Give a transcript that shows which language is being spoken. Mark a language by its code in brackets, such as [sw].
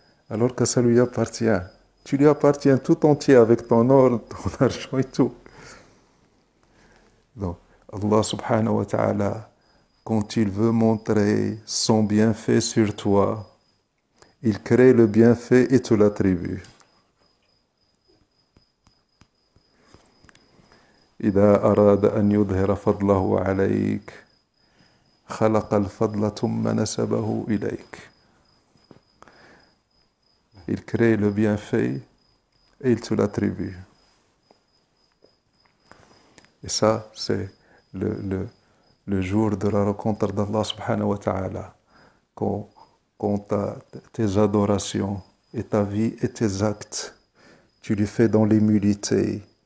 [fr] Alors que ça lui appartient. Tu lui appartiens tout entier avec ton or, ton argent et tout. Donc, Allah subhanahu wa ta'ala, quand il veut montrer son bienfait sur toi, il crée le bienfait et te l'attribue. [ar] إذا أراد أن يظهر فضله عليك خلق الفضل ثم نسبه إليك. [fr] Il crée le bienfait et il te l'attribue. Et ça, c'est le jour de la rencontre d'Allah subhanahu wa ta'ala, quand tes adorations et ta vie et tes actes, tu les fais dans l'humilité.